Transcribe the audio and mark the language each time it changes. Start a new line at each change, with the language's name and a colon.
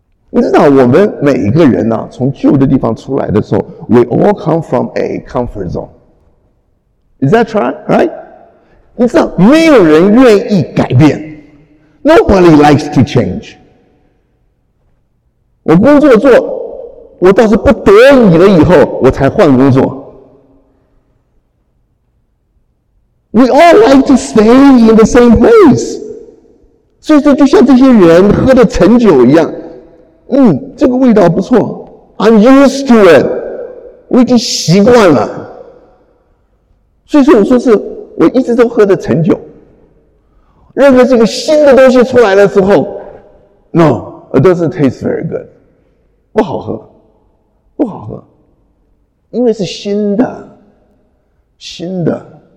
Chinese: 你知道我们每一个人啊，从旧的地方出来的时候，
English: We all come from a comfort zone. Is that right?
Chinese: 你知道没有人愿意改变，
English: Nobody likes to change.
Chinese: 我工作做，我倒是不得已了以后我才换工作。
English: We all like to stay in the same place.
Chinese: 所以说就像这些人喝的陈酒一样，嗯，这个味道不错，
English: I'm used to it，
Chinese: 我已经习惯了。所以说我说是我一直都喝的陈酒，任何这个新的东西出来的时候，
English: No， it doesn't taste very good，
Chinese: 不好喝，不好喝，因为是新的，新的。